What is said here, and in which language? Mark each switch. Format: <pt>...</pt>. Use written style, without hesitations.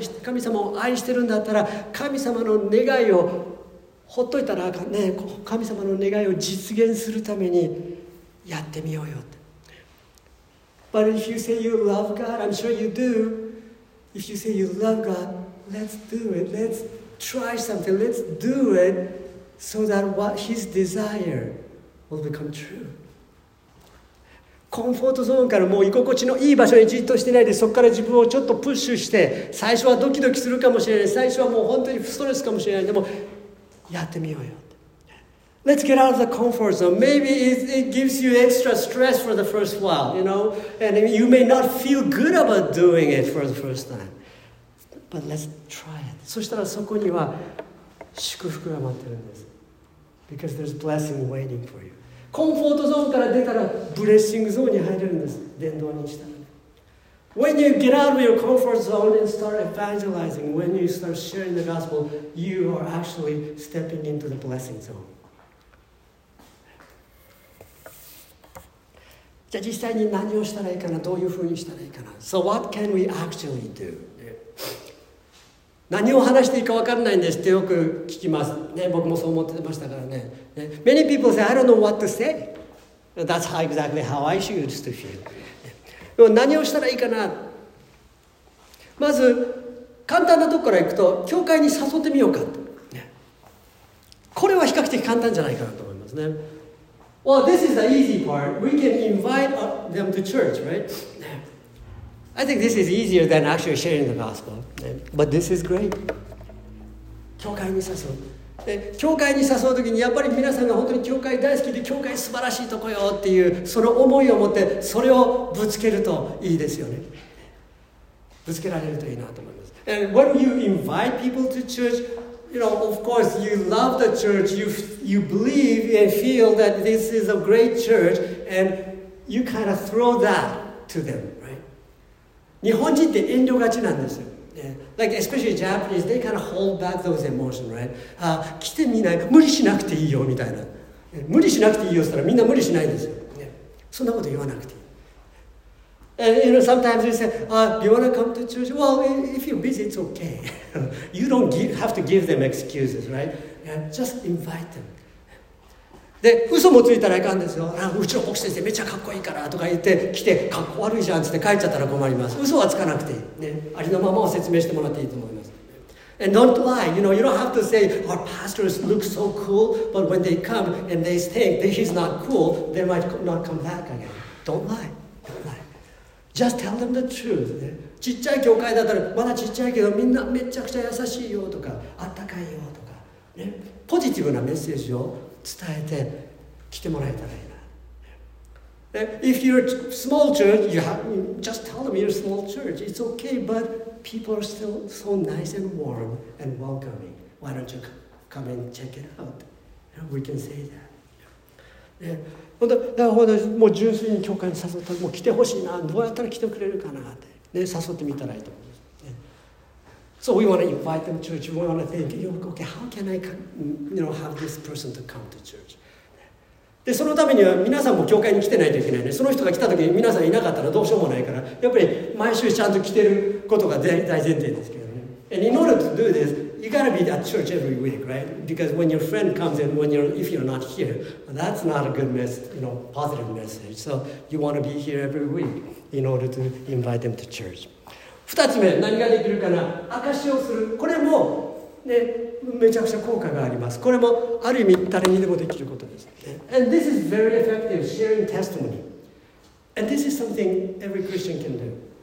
<ja>神様を愛してるんだったら、神様の願いをほっといたらあかんね。神様の願いを実現するためにやってみようよって。</ja> <en>But if you say you love God, I'm sure you do. If you say you love God, let's do it. Let's try something. Let's do it so that what His desire will become true.</en> <ja>コンフォートゾーンからもう居心地のいい場所にじっとしてないでそこから自分をちょっとプッシュして最初はドキドキするかもしれない最初はもう本当にストレスかもしれないでもやってみようよ</ja> <en>Let's get out of the comfort zone Maybe it gives you extra stress for the first while You know And you may not feel good about doing it for the first time But let's try it</en> <ja>そしたらそこには祝福が待ってるんです</ja> <en>Because there's blessing waiting for you</en> <ja>コンフォートゾーンから出たらブレッシングゾーンに入れるんです。伝道にしたら。</ja> <en>When you get out of your comfort zone and start evangelizing, when you start sharing the gospel, you are actually stepping into the blessing zone.</en> <ja>じゃあ実際に何をしたらいいかな、どういうふうにしたらいいかな。</ja> <en>So what can we actually do?</en> <ja>何を話していいか分からないんですってよく聞きます。ね、僕もそう思ってましたからね。</ja> <en>Many people say, I don't know what to say. That's how exactly how I used to feel.</en> <ja>何をしたらいいかな。まず、簡単なとこから行くと、教会に誘ってみようか。これは比較的簡単じゃないかなと思いますね。</ja> <en>Well, this is the easy part. We can invite them to church, right? I think this is easier than actually sharing the gospel. But this is great.</en> <ja>教会に誘う。教会に誘うときにやっぱり皆さんが本当に教会大好きで教会素晴らしいとこよっていうその思いを持ってそれをぶつけるといいですよね。ぶつけられるといいなと思います。</ja> <en>And when you invite people to church, you know, of course you love the church, you believe and feel that this is a great church, and you kind of throw that to them, right?</en> <ja>日本人って遠慮がちなんですよ。</ja> <en>Like especially Japanese, they kind of hold back those emotions, right?</en> <ja>来てみない、無理しなくていいよみたいな。無理しなくていいよしたらみんな無理しないですよ。そんなこと言わなくていい。</ja> <en>And you know, sometimes we say, do you want to come to church? Well, if you're busy, it's okay. You don't have to give them excuses, right? Just invite them.</en> <ja>で、嘘もついたらいかんですよ。あ、うちの牧師先生めっちゃかっこいいからとか言って来て、かっこ悪いじゃんって帰っちゃったら困ります。嘘はつかなくていい。ね、ありのままを説明してもらっていいと思います。</ja> <en>And don't lie. You know, you don't have to say, our pastors look so cool, but when they come and they think that he's not cool, they might not come back again. Don't lie. Just tell them the truth. ね、</en> <ja>ちっちゃい教会だったらまだちっちゃいけどみんなめちゃくちゃ優しいよとかあったかいよとか、ね、ポジティブなメッセージを伝えて来てもらえたらいいな。</ja> <en>ね、If you're a small church, you have, just tell them you're a small church. It's okay, but people are still so nice and warm and welcoming. Why don't you come and check it out? We can say that.</en> <ja>ね、本当だから本当もう純粋に教会に誘ったらもう来てほしいな、どうやったら来てくれるかなって、ね、誘ってみたらいいと思います、ね、</ja> <en>So we want to invite them to church. We want to think, okay, how can I come, you know, have this person to come to church?</en> <ja>でそのためには皆さんも教会に来てないといけないね。その人が来た時に皆さんいなかったらどうしようもないから、やっぱり毎週ちゃんと来てることが大前提ですけどね。</ja> <en>And in order to do thisYou gotta be at church every week, right? Because when your friend comes in, if you're not here, that's not a good message, you know, positive message. So you want to be here every week in order to invite them to church.</en> <ja>二つ目、何ができるかな？証しをする。これも、ね、めちゃくちゃ効果があります。これもある意味誰にでもできることです。</ja> <en>And this is very effective, sharing testimony. And this is something every Christian can do.</en>